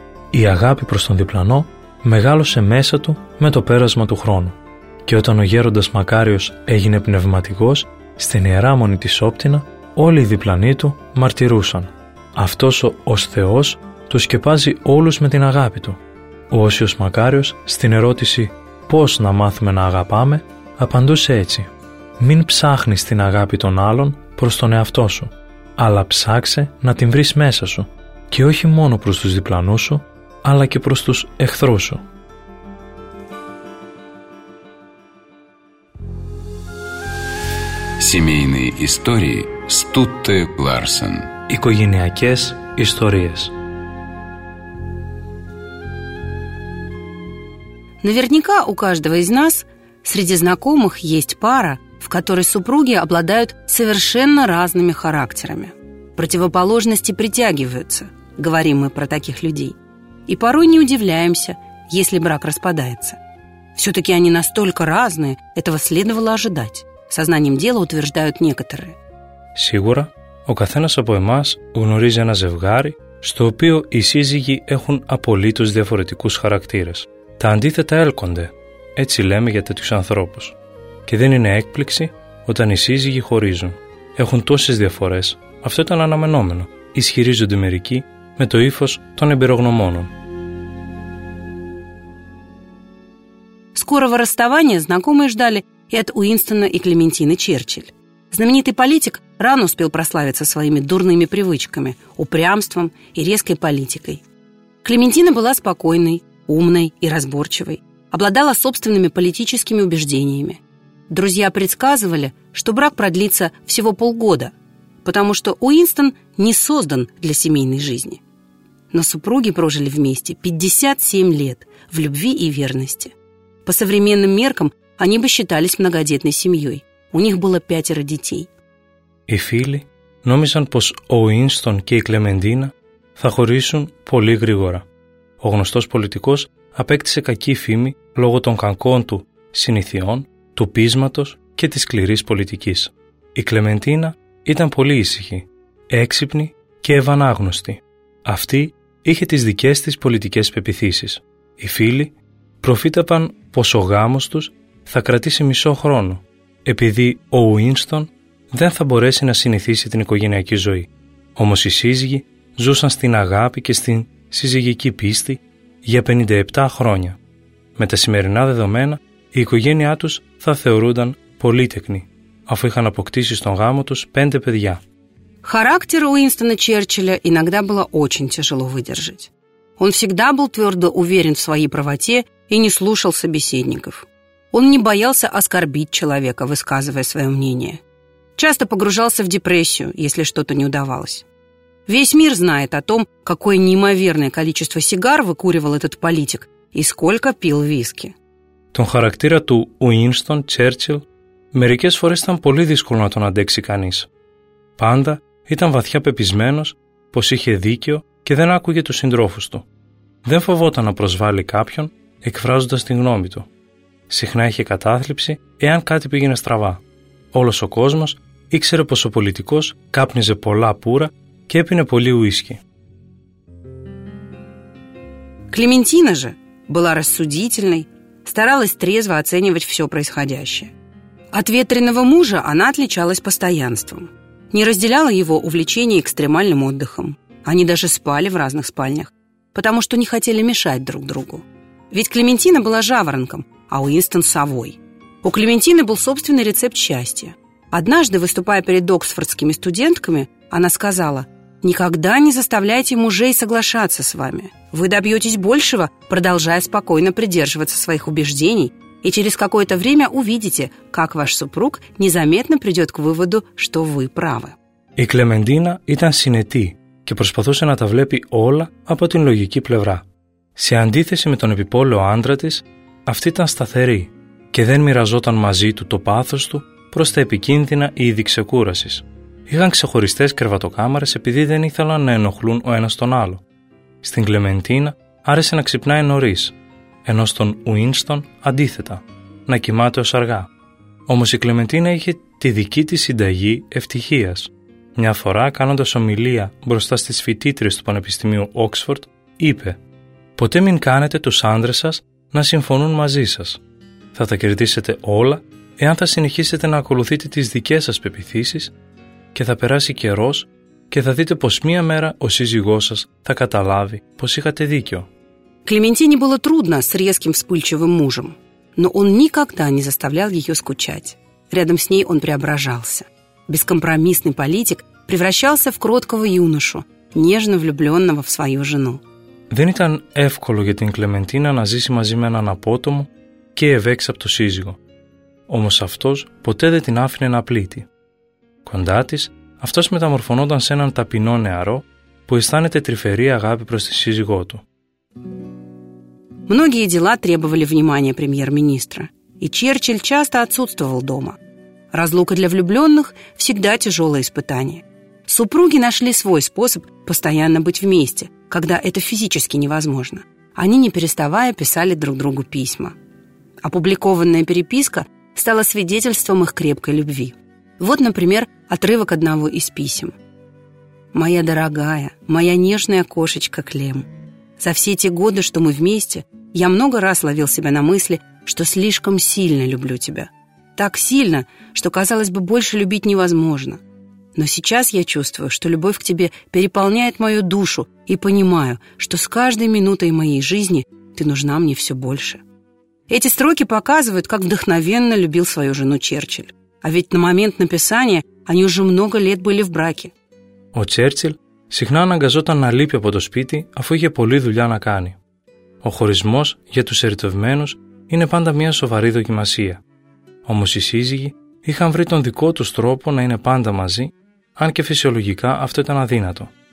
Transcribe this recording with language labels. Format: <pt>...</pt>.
<el>Η αγάπη προς τον διπλανό μεγάλωσε μέσα του με το πέρασμα του χρόνου. Και όταν ο γέροντας Μακάριος έγινε πνευματικός, στην Ιερά Μονή της Όπτινα, όλοι οι διπλανοί του μαρτυρούσαν. Αυτός ως Θεός του σκεπάζει όλους με την αγάπη του. Ο Όσιος Μακάριος, στην ερώτηση «Πώς να μάθουμε να αγαπάμε», απαντούσε έτσι: «Μην ψάχνεις την αγάπη των άλλων προς τον εαυτό σου, αλλά ψάξε να την βρεις μέσα σου, και όχι μόνο προς τους διπλανούς σου, αλλά και προς τους εχθρούς σου».</el> <ru>Семейные истории Стутте Ларсен.</ru> <el>Οικογενειακές ιστορίες.</el> <ru>Наверняка у каждого из нас среди знакомых есть пара, в которой супруги обладают совершенно разными характерами. Противоположности притягиваются, говорим мы про таких людей. И порой не удивляемся, если брак распадается. Все-таки они настолько разные, этого следовало ожидать. Сознанием дела утверждают некоторые.</ru> <el>Сигура, ο καθένας από εμάς γνωρίζει ένα ζευγάρι, στο οποίο οι σύζυγοι έχουν απολύτως διαφορετικούς χαρακτήρες. Τα αντίθετα έλκονται, έτσι λέμε για τέτοιους ανθρώπους. Και δεν είναι έκπληξη όταν οι σύζυγοι χωρίζουν. Έχουν τόσες διαφορές. Αυτό ήταν αναμενόμενο, ισχυρίζονται μερικοί με το ύφος των εμπειρογνωμόνων.</el> <ru>Скорого расставания знакомые ждали и от Уинстона и Клементины Черчилль. Знаменитый политик рано успел прославиться своими дурными привычками, упрямством и резкой политикой. Клементина была спокойной, умной и разборчивой, обладала собственными политическими убеждениями. Друзья предсказывали, что брак продлится всего полгода, потому что Уинстон не создан для семейной жизни. Но супруги прожили вместе 57 лет в любви и верности. По современным меркам они бы считались многодетной семьей. У них было 5 детей.</ru> <el>Οι φίλοι νόμιζαν πως ο Ουίνστον και η Κλεμεντίνα θα χωρίσουν πολύ γρήγορα. Ο γνωστός πολιτικός απέκτησε κακή φήμη λόγω των κακών του συνηθιών, του πείσματος και της σκληρής πολιτικής. Η Κλεμεντίνα ήταν πολύ ήσυχη, έξυπνη και ευανάγνωστη. Αυτή είχε τις δικές της πολιτικές πεποιθήσεις. Οι φίλοι προφήταπαν πως ο γάμος τους θα κρατήσει μισό χρόνο, επειδή ο Ουίνστον δεν θα μπορέσει να συνηθίσει την οικογενειακή ζωή. Όμως οι σύζυγοι ζούσαν στην αγάπη και στην συζυγική πίστη για 57 χρόνια. Με τα σημερινά δεδομένα, η οικογένειά τους θα θεωρούνταν πολύτεκνη, αφού είχαν αποκτήσει στον γάμο τους 5 παιδιά.</el> <ru>Характер Уинстона Черчилля иногда было очень тяжело выдержать. Он всегда был твердо уверен в своей правоте и не слушал собеседников. Он не боялся оскорбить человека, высказывая свое мнение. Часто погружался в депрессию, если что-то не удавалось. Весь мир знает о том, какое неимоверное количество сигар выкуривал этот политик и сколько пил виски.</ru> <el>Τον</el> <ru>характера</ru> <el>του Уинстон Черчилл μερικές φορές ήταν πολύ δύσκολο να τον αντέξει κανείς. Πάντα ήταν βαθιά πεπισμένος πως είχε δίκιο και δεν άκουγε τους συντρόφους του. Δεν φοβόταν να προσβάλλει κάποιον εκφράζοντας την γνώμη του. Συχνά είχε κατάθλιψη εάν κάτι πήγαινε στραβά. όλος ο κόσμος ήξερε πως ο πολιτικός κάπνιζε πολλά πουρα και έπινε πολύ ουίσκι.</el> <ru>Клементина же была рассудительной, старалась трезво оценивать все происходящее. От ветреного мужа она отличалась постоянством. Не разделяла его увлечение экстремальным отдыхом. Они даже спали в разных спальнях, потому что не хотели мешать друг другу. Ведь Клементина была жаворонком, а Уинстон – совой. У Клементины был собственный рецепт счастья. Однажды, выступая перед оксфордскими студентками, она сказала: «Никогда не заставляйте мужей соглашаться с вами. Вы добьетесь большего, продолжая спокойно придерживаться своих убеждений, и через какое-то время увидите, как ваш супруг незаметно придет к выводу, что вы правы».</ru> <el>И Клементина ήταν συνετή και προσπαθούσε να τα βλέπει όλα από την λογική πλευρά. Σε αντίθεση με τον επιπόλαιο άντρα της, αυτή ήταν σταθερή και δεν μοιραζόταν μαζί του το πάθος του προς τα επικίνδυνα είδη ξεκούρασης. Είχαν ξεχωριστές κρεβατοκάμαρες επειδή δεν ήθελαν να ενοχλούν ο ένας τον άλλο. Στην Κλεμεντίνα άρεσε να ξυπνάει νωρίς, ενώ στον Ουίνστον αντίθετα, να κοιμάται ως αργά. Όμως η Κλεμεντίνα είχε τη δική της συνταγή ευτυχίας. Μια φορά, κάνοντας ομιλία μπροστά στις φοιτήτριες του Πανεπιστημίου Oxford, είπε: «Ποτέ μην κάνετε τους άντρες σας να συμφωνούν μαζί σας. Θα τα κερδίσετε όλα εάν θα συνεχίσετε να ακολουθείτε τις δικές σας πεποιθήσεις και θα περάσει καιρός και θα δείτε πως μία μέρα ο σύζυγός σας θα καταλάβει πως είχατε δίκιο».</el> <ru>Клементине было трудно с резким вспыльчивым мужем, но он никогда не заставлял ее скучать. Рядом с ней он преображался. Бескомпромиссный политик превращался в кроткого юношу, нежно влюбленного в свою жену.</ru> <el>Δεν ήταν εύκολο για την Клементина να ζήσει μαζί με έναν απότομο και ευέξαπτο σύζυγο. Όμως αυτός ποτέ δεν την άφηνε να πλήττει. Κοντά της, αυτός μεταμορφωνόταν σε έναν ταπεινό νεαρό που αισθάνεται τρυφερή αγάπη προς τη σύζυγό του.</el> <ru>Многие дела требовали внимания премьер-министра, и Черчилль часто отсутствовал дома. Разлука для влюбленных – всегда тяжелое испытание. Супруги нашли свой способ постоянно быть вместе, когда это физически невозможно. Они, не переставая, писали друг другу письма. Опубликованная переписка стала свидетельством их крепкой любви. Вот, например, отрывок одного из писем. «Моя дорогая, моя нежная кошечка Клем, за все те годы, что мы вместе, я много раз ловил себя на мысли, что слишком сильно люблю тебя. Так сильно, что, казалось бы, больше любить невозможно. Но сейчас я чувствую, что любовь к тебе переполняет мою душу и понимаю, что с каждой минутой моей жизни ты нужна мне все больше». Эти строки показывают, как вдохновенно любил свою жену Черчилль. А ведь на момент написания они уже много лет были в браке.</ru> <el>О, Черчилль συχνά αναγκαζόταν να λείπει από το σπίτι αφού είχε πολλή δουλειά να κάνει. Ο χωρισμός για τους ερωτευμένους είναι πάντα μια σοβαρή δοκιμασία. Όμως οι σύζυγοι είχαν βρει τον δικό τους τρόπο να είναι πάντα μαζί, αν και φυσιολογικά αυτό ήταν αδύνατο.</el>